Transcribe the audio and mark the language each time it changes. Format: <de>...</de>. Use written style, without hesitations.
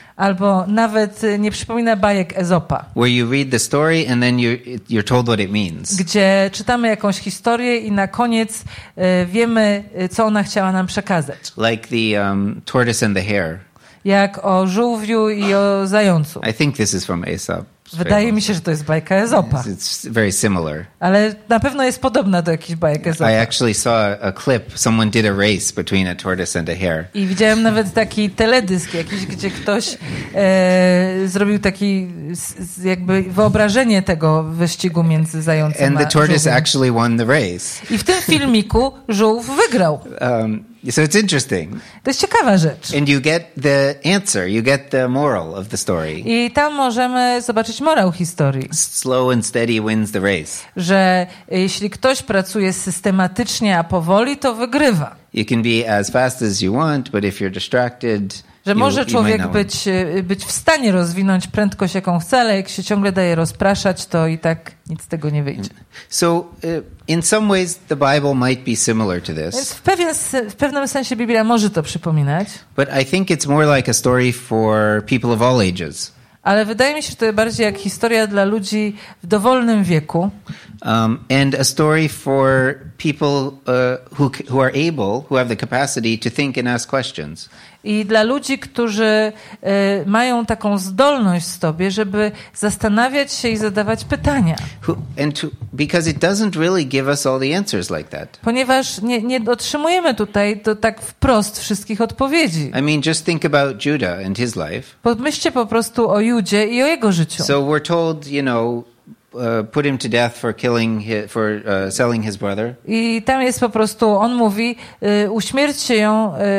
<pl>Albo nawet nie przypomina bajek Ezopa.</pl> <en>Where you read the story and then you're told what it means.</en> <pl>Gdzie czytamy jakąś historię i na koniec wiemy, co ona chciała nam przekazać.</pl> <en>Like the tortoise and the hare.</en> <pl>Jak o żółwiu i o zającu.</pl> <en>I think this is from Aesop.</en> <pl>Wydaje mi się, że to jest bajka Ezopa.</pl> <en>It's very similar.</en> <pl>Ale na pewno jest podobna do jakiejś bajek Ezopa.</pl> <en>I actually saw a clip. Someone did a race between a tortoise and a hare.</en> <pl>I widziałem nawet taki teledysk jakiś, gdzie ktoś zrobił taki jakby wyobrażenie tego wyścigu między zającem a żółwiem.</pl> <en>And the tortoise actually won the race.</en> <pl>I w tym filmiku żółw wygrał.</pl> <en>So it's interesting.</en> <pl>To jest ciekawa rzecz.</pl> <en>And you get the answer, you get the moral of the story.</en> <pl>I tam możemy zobaczyć morał historii.</pl> <en>Slow and steady wins the race.</en> <pl>Że jeśli ktoś pracuje systematycznie, a powoli, to wygrywa.</pl> <en>You can be as fast as you want, but if you're distracted,</en> <pl>że może człowiek być w stanie rozwinąć prędkość, jaką chce, ale jak się ciągle daje rozpraszać, to i tak nic z tego nie wyjdzie.</pl> <en>So in some ways the Bible might be similar to this.</en> <pl>Więc w pewnym sensie Biblia może to przypominać.</pl> <en>But I think it's more like a story for people of all ages.</en> <pl>Ale wydaje mi się, że to jest bardziej jak historia dla ludzi w dowolnym wieku.</pl> <en>And a story for people who are able, who have the capacity to think and ask questions.</en> <pl>I dla ludzi, którzy mają taką zdolność w sobie, żeby zastanawiać się i zadawać pytania.</pl> <en>Because it doesn't really give us all the answers like that.</en> <pl>Ponieważ nie otrzymujemy tutaj to tak wprost wszystkich odpowiedzi.</pl> <en>I mean, just think about Judah and his life.</en> <pl>Pomyślcie po prostu o Judzie i o jego życiu.</pl> <en>So we're told, you know, put him to death for killing for selling his brother.</en> <pl>I tam jest po prostu, on mówi, uśmierćcie ją.</pl>